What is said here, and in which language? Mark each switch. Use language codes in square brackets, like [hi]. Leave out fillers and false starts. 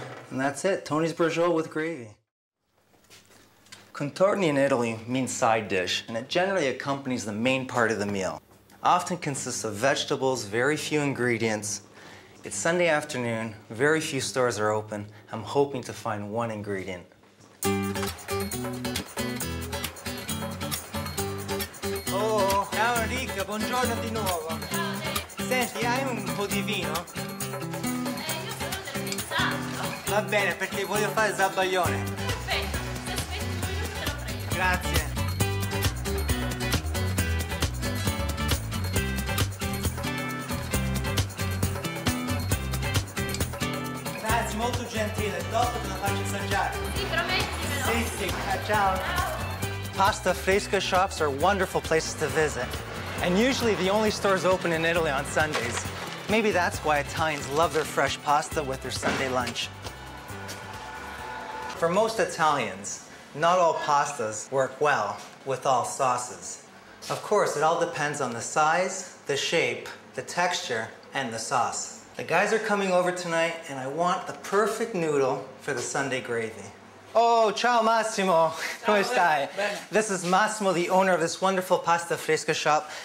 [en] And that's it, Tony's briaciole with gravy. Contorni in Italy means side dish, and it generally accompanies the main part of the meal. Often consists of vegetables, very few ingredients. It's Sunday afternoon, very few stores are open. I'm hoping to find one ingredient. [it] Oh, ciao Enrico, buongiorno. buongiorno di nuovo. Senti, hai un po' di vino? Io sono del pensato. Va bene, perché voglio fare zabaglione. Perfetto, se aspetti un minuto te lo prendo. Grazie. Grazie, molto gentile. Dopo te la faccio assaggiare. Sì, promettimelo. Sì, sì, ciao. Ciao. [en] Pasta fresca shops are wonderful places to visit, and usually the only stores open in Italy on Sundays. Maybe that's why Italians love their fresh pasta with their Sunday lunch. For most Italians, not all pastas work well with all sauces. Of course, it all depends on the size, the shape, the texture, and the sauce. The guys are coming over tonight, and I want the perfect noodle for the Sunday gravy. [it] Oh, ciao Massimo, come stai? Bene. [en] This is Massimo, the owner of this wonderful pasta fresca shop.